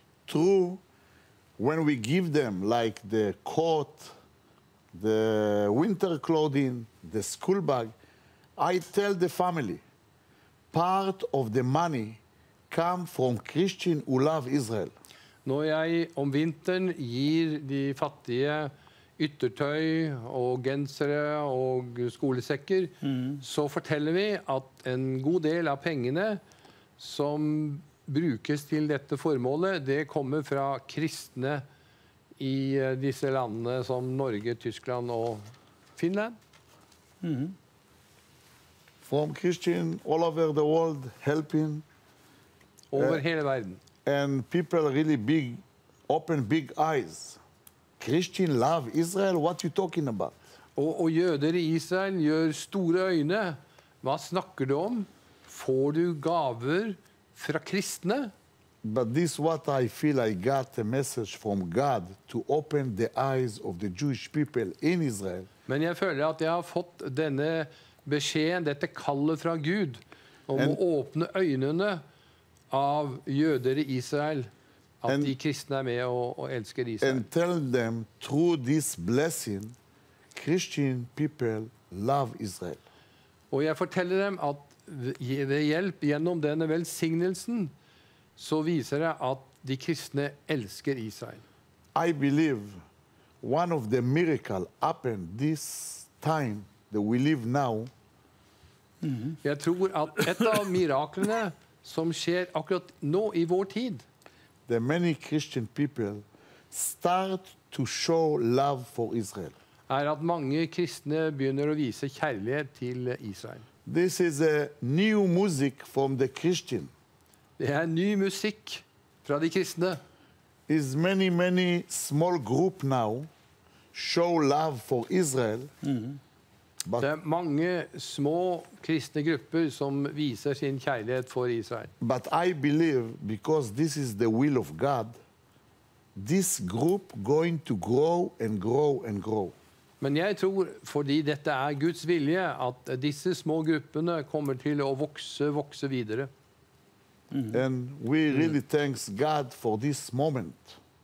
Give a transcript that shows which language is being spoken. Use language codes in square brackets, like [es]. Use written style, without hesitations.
[en] Through when we give them like the coat, the winter clothing, the school bag, I tell the family, part of the money come from Christian who love Israel. [no] Når jeg om vinteren gir de fattige yttertøy og gensere og skolesekker, så forteller vi at en god del av pengene som brukes til dette formålet, det kommer fra kristne i disse landene som Norge, Tyskland og Finland. [en] From Christian all over the world helping. [no] Over hele verden. [en] And people really big, open big eyes. Christian love Israel, what you talking about? [no] Og jøder i Israel gjør store øyne. Hva snakker du om? Får du gaver fra kristne? [en] But this what I feel I got a message from God to open the eyes of the Jewish people in Israel. [no] Men jeg føler at jeg har fått denne beskjeden, dette kallet fra Gud, om and, å åpne øynene av jøder i Israel, at and, de kristne er med og elsker Israel. [en] And tell them through this blessing, Christian people love Israel. [no] Og jeg forteller dem at ved hjelp gjennom denne velsignelsen, så viser det at de kristne elsker Israel. [en] I believe one of the miracle happened this time that we live now. [no] Jeg tror at et av miraklene som skjer akkurat nå i vår tid, [en] the many Christian people start to show love for Israel. [no] Er at mange kristne begynner å vise kjærlighet til Israel. [en] This is a new music from the Christian. [no] Det er ny musikk fra de kristne. [en] Is many, many small group now show love for Israel. [no] But det er mange små kristne grupper som viser sin kjærlighet for Israel. [en] But I believe, because this is the will of God, this group going to grow and grow and grow. [no] Men jeg tror, fordi dette er Guds vilje, at disse små gruppene kommer til å vokse videre. [en] And we really thanks God for this moment.